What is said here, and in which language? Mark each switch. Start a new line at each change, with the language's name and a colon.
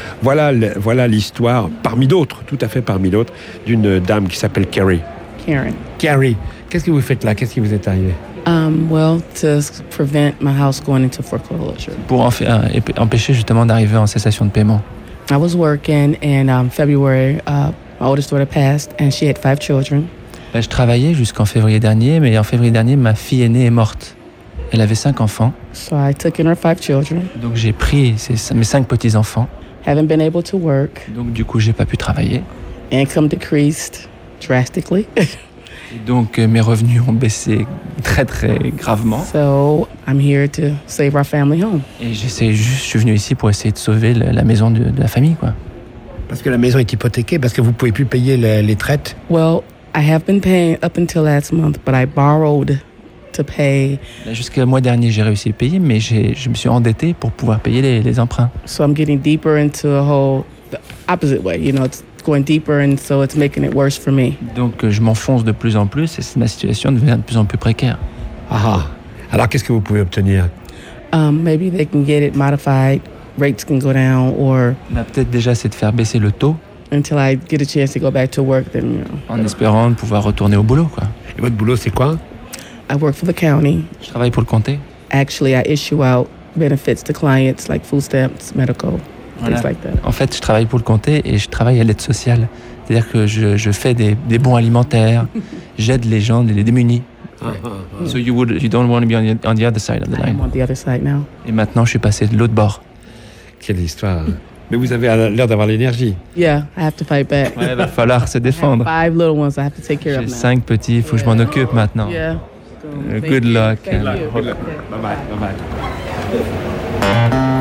French: Voilà l'histoire, parmi d'autres, tout à fait parmi d'autres, d'une dame qui s'appelle Carrie. Carrie, qu'est-ce que vous faites là? Qu'est-ce qui vous est arrivé?
English: To prevent my house going into foreclosure.
French: Pour empêcher justement d'arriver en cessation de paiement.
English: I was working in February. My oldest daughter passed, and she had 5 children.
French: Je travaillais jusqu'en février dernier, mais en février dernier, ma fille aînée est morte. Elle avait 5 enfants.
English: So I took in her 5 children.
French: Donc j'ai pris mes 5 petits enfants.
English: Haven't been able to work.
French: Donc du coup, j'ai pas pu travailler.
English: Income decreased drastically.
French: Donc mes revenus ont baissé très très gravement.
English: So I'm here to save our family home.
French: Et je suis venu ici pour essayer de sauver la maison de la famille, quoi. Parce que la maison est hypothéquée, parce que vous pouvez plus payer les traites.
English: Well, I have been paying up until last month, but I borrowed to pay.
French: Jusqu'au mois dernier, j'ai réussi à payer, mais je me suis endetté pour pouvoir payer les emprunts.
English: So I'm getting deeper into a whole the opposite way, you know. Going deeper, and so it's making it worse for me.
French: Donc je m'enfonce de plus en plus et ma situation devient de plus en plus précaire. Ah, alors qu'est-ce que vous pouvez obtenir?
English: Maybe they can get it modified, rates can go down, or.
French: Mais peut-être déjà c'est de faire baisser le taux.
English: Until I get a chance to go back to work, then. You know.
French: En espérant de pouvoir retourner au boulot, quoi. Et votre boulot c'est quoi?
English: I work for the county.
French: Je travaille pour le comté.
English: Actually, I issue out benefits to clients like food stamps, medical.
French: Voilà. En fait, je travaille pour le comté et je travaille à l'aide sociale. C'est-à-dire que je fais des bons alimentaires, j'aide les gens, les démunis. Ouais.
English: So you don't want to be on the other side of the line. I'm on the other side now.
French: Et maintenant, je suis passé de l'autre bord. Quelle histoire. Mais vous avez l'air d'avoir l'énergie.
English: Yeah, I have to fight back.
French: Ouais, va falloir se défendre.
English: I have 5 little ones I have to take care of.
French: J'ai 5 petits, il faut que je m'en occupe maintenant.
English: Yeah. So, good luck. Bye-bye.